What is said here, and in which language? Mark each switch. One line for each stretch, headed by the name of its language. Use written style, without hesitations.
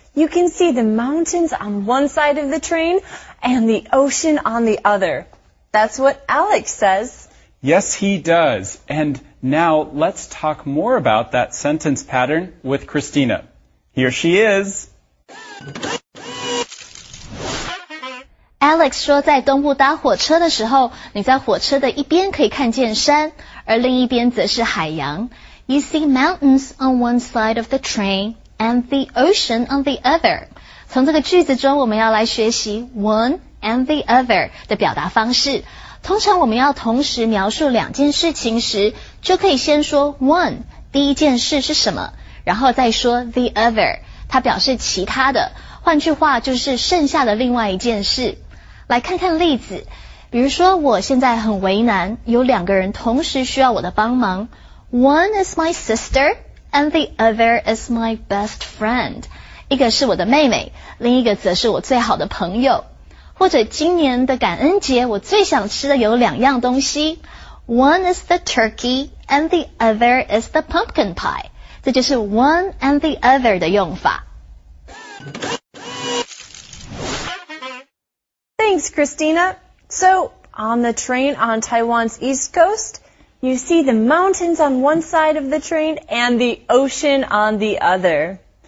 English: You can see the mountains on one side of the train and the ocean on the other. That's what Alex says. Yes, he does. And now let's talk more about that sentence pattern with Christina. Here she is.
Chinese: Alex 说在东部搭火车的时候，你在火车的一边可以看见山，而另一边则是海洋。
English: You see mountains on one side of the train and the ocean on the other.
Chinese: 从这个句子中我们要来学习 one and the other 的表达方式。通常我们要同时描述两件事情时，就可以先说 one, 第一件事是什么，然后再说 the other, 它表示其他的，换句话就是剩下的另外一件事。来看看例子，比如说我现在很为难，有两个人同时需要我的帮忙。
English: One is my sister, and the other is my best friend.
Chinese: 一个是我的妹妹，另一个则是我最好的朋友。或者今年的感恩节，我最想吃的有两样东西。
English: One is the turkey and the other is the pumpkin pie.
Chinese: 这就是 one and the other 的用法。
English: Thanks, Christina. So, on the train on Taiwan's east coast, you see the mountains on one side of the train and the ocean on the other.